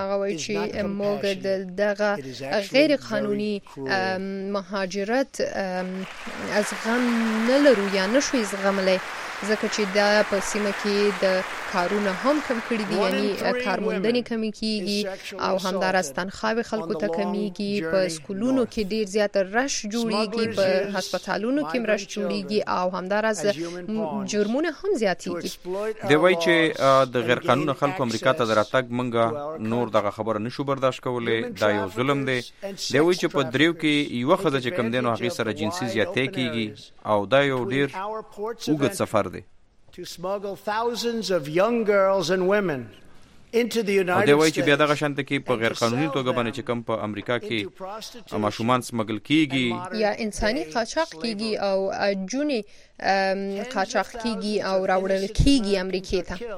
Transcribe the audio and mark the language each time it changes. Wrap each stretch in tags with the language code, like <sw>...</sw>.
<ps>هغه وایي چې موږ د دغه غیر قانوني مهاجرت از غم نه لرو یا نه شو زغملی، ځکه چې دا په سیمه کې د کارونه هم کم کړي دي، یعنی کارموندنې کمی کېږي او همدارس تنخواوې خلکو ته کمیږي، په سکولونو کې ډېر زیات رش جوړیږي، په هسپتالونو کې رش جوړیږي او همدارس جرمونه هم زیاتیږي. دی وایي چې د غیرقانونه خلکو امریکا ته د راتګ موږ نور دغه خبره نشو برداشت کولی، دا یو ظلم دی. دی وایي چې په دریو کې یوه ښځه چې کم دی نو هغې سره جنسي زیاتی کېږي او دا یو ډېر اوږد سفر دی.</ps> <en>To smuggle thousands of young girls and women into the United States.</en> <ps>او دی وایي چې بیا دغه شانت کې په غیر قانوني توګه باندې چې کوم په امریکا کې ماشومان سمګل کیږي یا انساني قاچاق کیږي او جوني قاچاق کیږي او راوړل کیږي امریکې ته.</ps>